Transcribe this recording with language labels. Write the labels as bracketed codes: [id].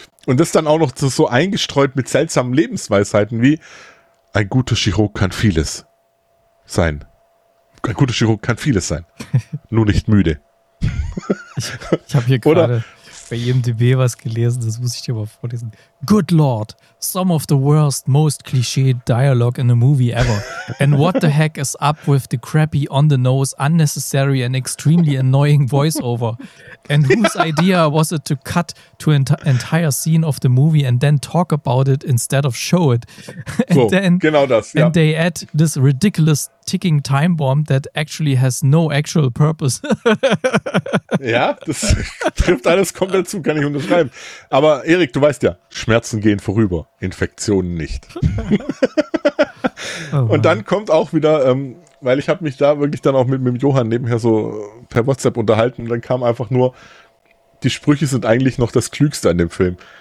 [de] Und das dann auch noch so eingestreut mit seltsamen Lebensweisheiten wie, ein guter Chirurg kann vieles sein. Ein guter Chirurg kann vieles sein, nur nicht müde. Ich habe hier gerade bei IMDb was gelesen, das muss ich dir mal vorlesen. [en] Good Lord, some of the worst, most cliché dialogue in a movie ever. And what the heck is up with the crappy, on-the-nose, unnecessary and extremely annoying voiceover? And whose idea was it to cut to an entire scene of the movie and then talk about it instead of show it? And so, then, [de] genau das, [en] and they add this ridiculous ticking time bomb that actually has no actual purpose. [de] Ja, das trifft alles komplett zu, kann ich unterschreiben. Aber Erik, du weißt ja, Schmerzen gehen vorüber, Infektionen nicht. Und dann kommt auch wieder, weil ich habe mich da wirklich dann auch mit Johann nebenher so per WhatsApp unterhalten und dann kam einfach nur, die Sprüche sind eigentlich noch das Klügste an dem Film.